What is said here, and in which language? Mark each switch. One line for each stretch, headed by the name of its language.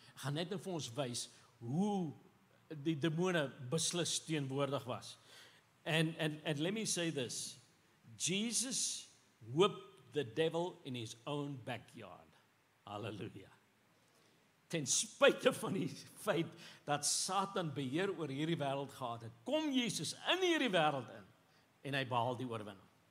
Afrikaans: Ek gaan net nou vir ons wys hoe die demone beslis teenwoordig was.
English: And let me say this. Jesus whooped the devil in his own backyard. Hallelujah.
Afrikaans: Ten spyte van die feit dat Satan beheer oor hierdie wêreld gehad het, kom Jesus in hierdie wêreld in en hy behaal die oorwinning.